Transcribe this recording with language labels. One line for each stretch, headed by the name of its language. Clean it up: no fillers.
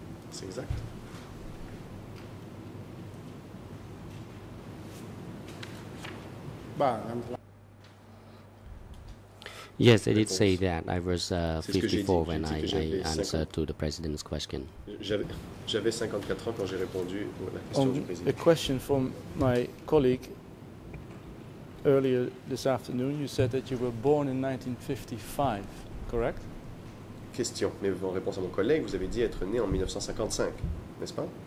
French: C'est exact.
English: Yes, I did say that. I was 54 when I answered to the President's question.
French: J'avais 54 ans quand j'ai répondu à la question du président.
English: A question from my colleague earlier this afternoon. You said that you were born in 1955, correct? Question.
French: Mais en réponse à mon collègue, vous avez dit être né en 1955, n'est-ce pas?